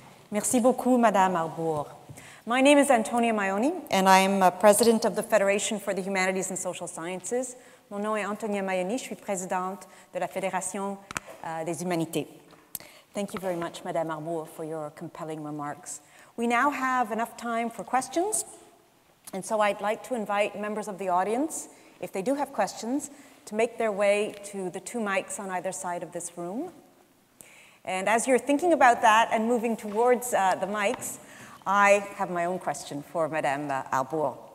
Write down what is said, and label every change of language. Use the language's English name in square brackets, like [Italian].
[French] Merci beaucoup, Madame Arbour. [English] My name is Antonia Maioni, and I am president of the Federation for the Humanities and Social Sciences. [French] Mon nom est Antonia Maioni, je suis présidente de la Fédération des Humanités. [English] Thank you very much, Madame Arbour, for your compelling remarks. We now have enough time for questions, and so I'd like to invite members of the audience, if they do have questions, to make their way to the two mics on either side of this room. And as you're thinking about that and moving towards the mics, I have my own question for Madame Arbour.